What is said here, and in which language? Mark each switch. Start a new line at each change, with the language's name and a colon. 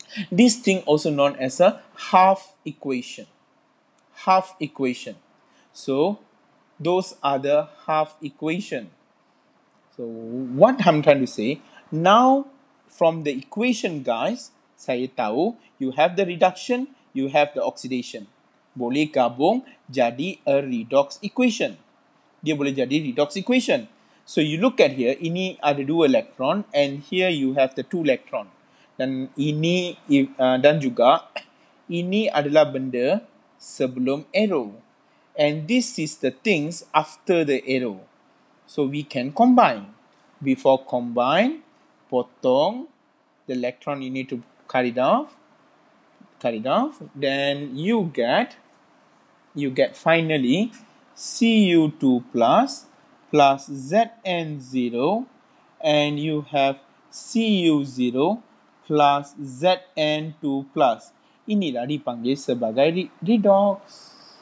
English: This thing also known as a half equation. Half equation. So, those are the half equation. So, what I'm trying to say, now, from the equation, guys,
Malay: saya tahu,
English: you have the reduction, you have the oxidation.
Malay: Boleh gabung jadi
English: a redox equation.
Malay: Dia boleh jadi redox equation.
English: So, you look at here,
Malay: ini ada dua elektron,
English: and here you have the two electron.
Malay: Dan ini, dan juga, ini adalah benda sebelum arrow.
English: And this is the things after the arrow. So, we can combine. Before combine, potong, the electron you need to cut it off, then you get finally Cu2 plus plus Zn0 and you have Cu0 plus Zn2 plus.
Malay: Inilah dipanggil sebagai redox.